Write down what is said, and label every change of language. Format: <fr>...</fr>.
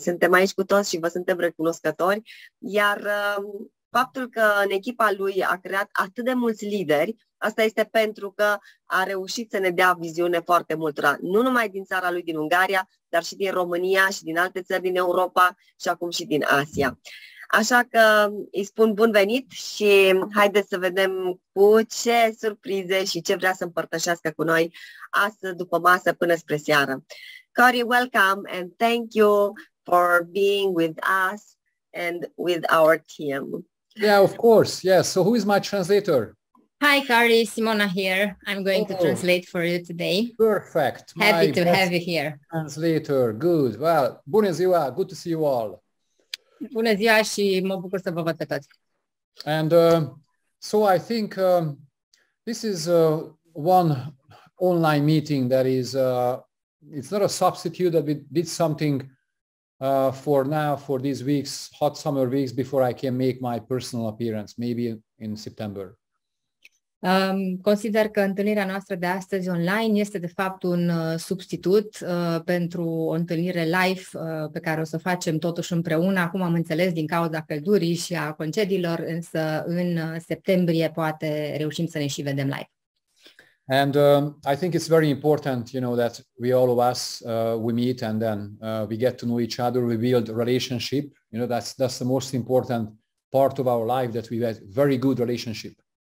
<ro>Suntem aici cu toți și vă suntem recunoscători, iar faptul că în echipa lui a creat atât de mulți lideri, asta este pentru că a reușit să ne dea viziune foarte multora, nu numai din țara lui din Ungaria, dar și din România și din alte țări din Europa și acum și din Asia. Așa că îi spun bun venit și haideți să vedem cu ce surprize și ce vrea să împărtășească cu noi astăzi după masă până spre seară.</ro> <en>Cori, welcome and thank you for being with us and with our team. Yeah, of course. Yes. Yeah. So who is my translator? Hi, Cori, Simona here. I'm going to translate for you today. Perfect. Happy to have you here. Translator, good. Well,</en> <ro>bună ziua.</ro> <en>Good to see you all.</en> <ro>Bună ziua și mă bucur să vă văd pe toți.</ro> <en>And so I think this is one online meeting that is, it's not a substitute that we did something for now, for these weeks, hot summer weeks, before I can make my personal appearance, maybe in September.</en> <ro>Consider că întâlnirea noastră de astăzi online este de fapt un substitut pentru o întâlnire live pe care o să facem totuși împreună. Acum am înțeles din cauza căldurii și a concediilor, însă în septembrie poate reușim să ne și vedem live.</ro> <en>And I think it's very important, you know, that we all of us we meet and then we get to know each other, we build a relationship. You know, that's the most important part of our life, that we have a very good relationship.</en>